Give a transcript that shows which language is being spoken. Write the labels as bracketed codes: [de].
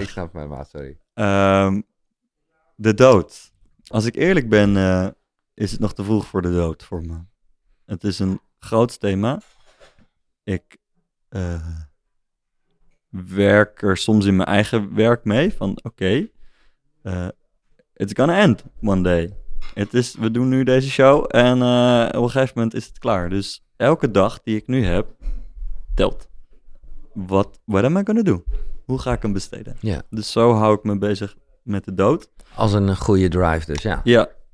[nl] Ik snap mij maar, sorry. De dood. Als ik eerlijk ben, is het nog te vroeg voor de dood voor me. Het is een groot thema. Ik werk er soms in mijn eigen werk mee. Van oké, [en] it's gonna end one day. [nl] We doen nu deze show en op een gegeven moment is het klaar. Dus elke dag die ik nu heb, telt. [en] What am I gonna do? [nl] Hoe ga ik hem besteden? Ja. Dus zo hou ik me bezig met de dood. Als een goede drive dus, ja. Ja.